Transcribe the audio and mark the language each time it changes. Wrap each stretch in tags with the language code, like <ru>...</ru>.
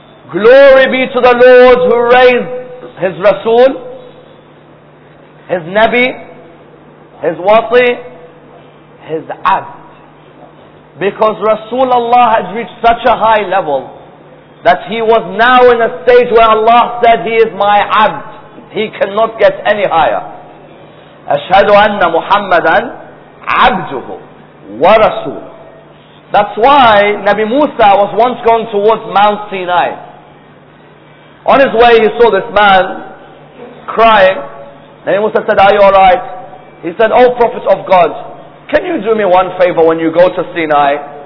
<en>Glory be to the Lord who raised his Rasul, his Nabi, his Wasi, his Abd. Because Rasulullah has reached such a high level that he was now in a stage where Allah said, he is my Abd. He cannot get any higher.</en> <ar>أشهد أن محمداً عبده ورسوله.</ar> <en>That's why Nabi Musa was once going towards Mount Sinai. On his way he saw this man crying. Nabi Musa said, are you alright? He said, oh Prophet of God, can you do me one favor when you go to Sinai?</en>